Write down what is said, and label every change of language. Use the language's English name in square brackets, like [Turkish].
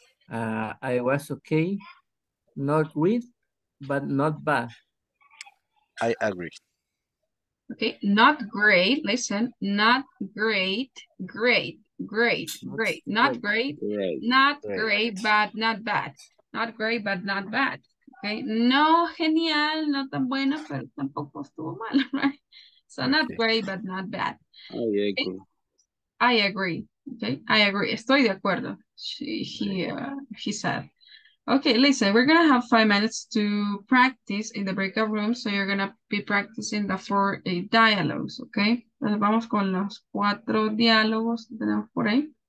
[English] I was okay, not great, but not bad. I agree. Okay, not great. Listen, not great, great, great, great, not great, not great, but not bad. Not great, but not bad. [Spanish] Okay, no genial, no tan bueno, pero tampoco estuvo mal, right? [English] So not great, but not bad. Okay. I agree. Okay, I agree. [Spanish] Estoy de acuerdo. [English] He said. Okay, listen, we're going to have 5 minutes to practice in the breakout room. So you're going to be practicing the 4 dialogues, okay? [Spanish] Entonces vamos con los 4 diálogos que tenemos por ahí.